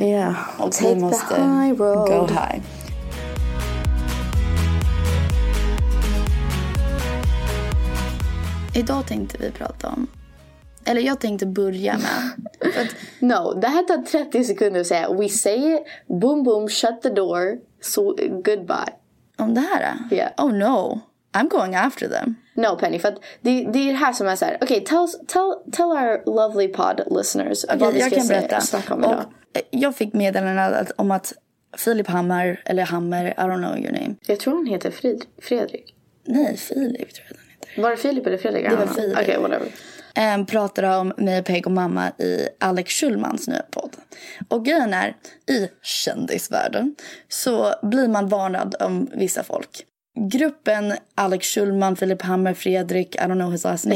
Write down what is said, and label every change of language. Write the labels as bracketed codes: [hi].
[en] Yeah, okay, take the high road. Go high. [sv] Idag tänkte vi prata om... Eller jag tänkte börja med... No, det här tar 30 sekunder att säga... [en] We say it, boom boom, shut the door, so goodbye. [sv] Om det här? [en] Yeah. Oh no, I'm going after them. [sv] No, Penny, för det är det här som jag säger... [en] Okay, tell our lovely pod listeners [sv] about okay, vad vi ska jag kan säga, berätta. Snacka om idag. Jag fick meddelandet om att Filip Hammar, eller Hammer, [en] I don't know your name. [sv] Jag tror han heter Fredrik. Nej, Filip tror jag. Var det Filip eller Fredrik? Det var Filip. Okej, whatever. Pratade om mig, Peg och mamma i Alex Schulmans nya podd. Och grejen är, i kändisvärlden så blir man varnad om vissa folk. Gruppen Alex Schulman, Filip Hammer, Fredrik, [en] I don't know his last name.